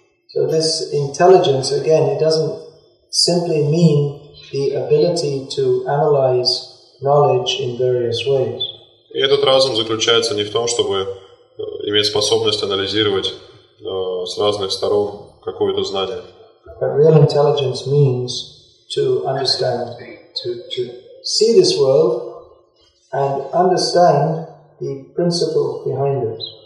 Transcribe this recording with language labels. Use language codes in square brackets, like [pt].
[en] So this intelligence, again, it doesn't simply mean the ability to analyze knowledge in various ways. [ru] И этот разум заключается не в том, чтобы иметь способность анализировать с разных сторон какое-то знание. [en] But real intelligence means to understand, to see this world and understand the principle behind it.